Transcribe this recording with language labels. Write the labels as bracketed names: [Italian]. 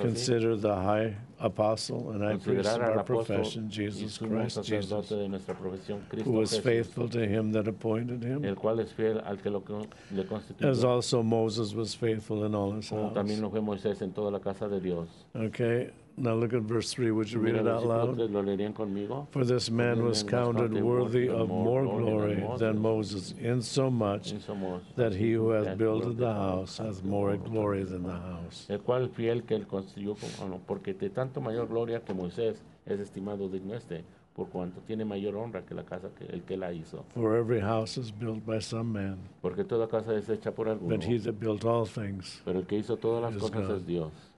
[English] Consider the high apostle and high priest of our profession, Jesus Christ, [Spanish] sacerdote de nuestra profesión, Cristo [English] who was [Spanish] Jesus, [English] faithful to him that appointed him. [Spanish] El cual es fiel al que le constituyó. [English] As also Moses was faithful in all his house. [Spanish] También lo fue Moisés en toda la casa de Dios. [English] Okay. Now look at verse 3. Would you read it out loud? For this man was counted worthy of more glory than Moses, insomuch that he who has built the house has more glory than the house. [Spanish] El cual fiel que él construyó, porque de tanto mayor gloria que Moisés es estimado digno este, por cuanto tiene mayor honra que la casa que el que la hizo. [English] For every house is built by some man. [Spanish] Porque toda casa es hecha por alguno. [English] But he that built all things. [Spanish] Pero el que hizo todas las cosas es Dios.